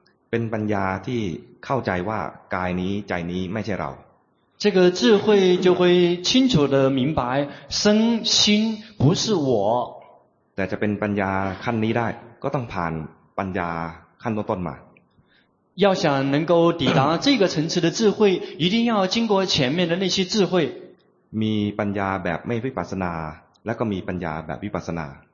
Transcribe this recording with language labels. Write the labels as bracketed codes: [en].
[th] เป็นปัญญาที่เข้าใจว่ากายนี้ใจนี้ไม่ใช่เรา [zh] 这个智慧就会清楚的明白身心不是我 [th] แต่จะเป็นปัญญาขั้นนี้ได้ก็ต้องผ่านปัญญาขั้นต้นๆมา [zh] 要想能够抵达这个层次的智慧一定要经过前面的那些智慧 [th] มีปัญญาแบบไม่วิปัสสนาและก็มีปัญญาแบบวิปัสสนา